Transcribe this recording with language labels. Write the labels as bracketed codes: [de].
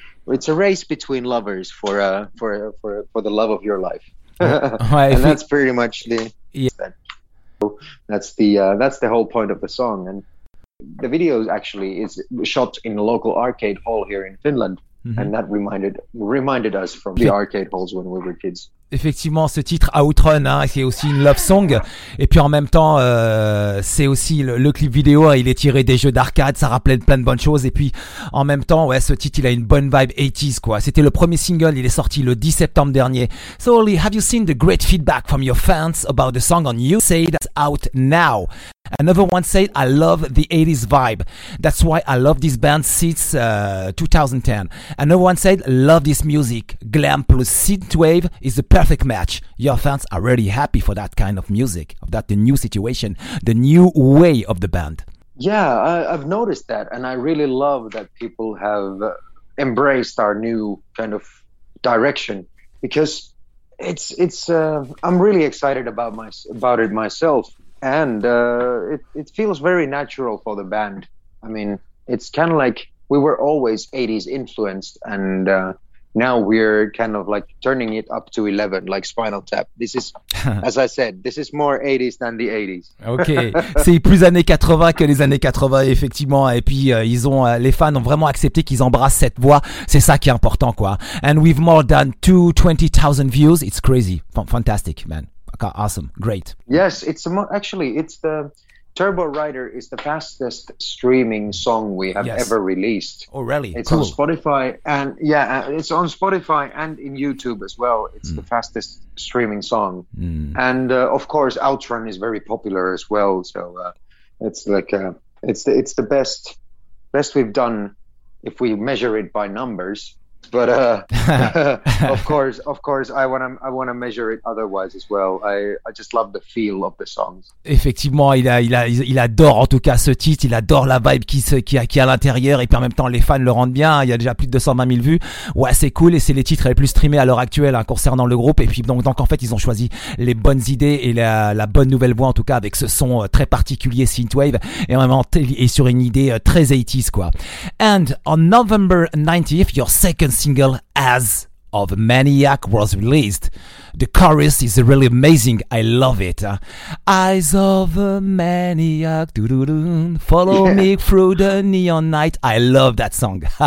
[en] It's a race between lovers for the love of your life. And that's pretty much the that's the whole point of the song. And the video actually is shot in a local arcade hall here in Finland. Mm-hmm. And that reminded us from the arcade halls when we were kids. [fr] Effectivement, ce titre Outrun, hein, c'est aussi une love song. Et puis en même temps, c'est aussi le clip vidéo, hein, il est tiré des jeux d'arcade, ça rappelait plein de bonnes choses. Et puis en même temps, ouais, ce titre, il a une bonne vibe 80s, quoi. C'était le premier single, il est sorti le 10 septembre dernier. [en] So, Oli, have you seen the great feedback from your fans about the song on You Say That's Out Now? Another one said, I love the 80s vibe. That's why I love this band since 2010. Another one said, love this music. Glam plus synthwave is the perfect match. Your fans are really happy for that kind of music, that the new situation, the new way of the band. Yeah, I've noticed that. And I really love that people have embraced our new kind of direction. Because I'm really excited about it myself. And it feels very natural for the band. I mean, it's kind of like we were always 80s influenced, and now we're kind of like turning it up to 11, like Spinal Tap. This is, as I said, this is more 80s than the 80s. [fr] Okay, c'est plus années 80 que les années 80, effectivement. Et puis les fans ont vraiment accepté qu'ils embrassent cette voix. C'est ça qui est important, quoi. [en] And we've more than 220,000 views. It's crazy, fantastic, man. Awesome, great. Yes, it's the Turbo Rider is the fastest streaming song we have ever released. Oh, really? It's cool. On Spotify, and it's on Spotify and in YouTube as well. It's the fastest streaming song. And of course Outrun is very popular as well, so it's the best we've done if we measure it by numbers. But of course, I wanna measure it otherwise as well. I just love the feel of the songs. [fr] Effectivement, il adore en tout cas ce titre. Il adore la vibe qui a à l'intérieur. Et puis en même temps, les fans le rendent bien. Il y a déjà plus de 220 000 vues. Ouais, c'est cool. Et c'est les titres les plus streamés à l'heure actuelle, hein, concernant le groupe. Et puis donc en fait, ils ont choisi les bonnes idées et la bonne nouvelle voix, en tout cas avec ce son très particulier synthwave et vraiment et sur une idée très 80s, quoi. [en] And on November 90th, your second single As of Maniac was released. The chorus is really amazing. I love it. Eyes of a maniac, follow me through the neon night. I love that song.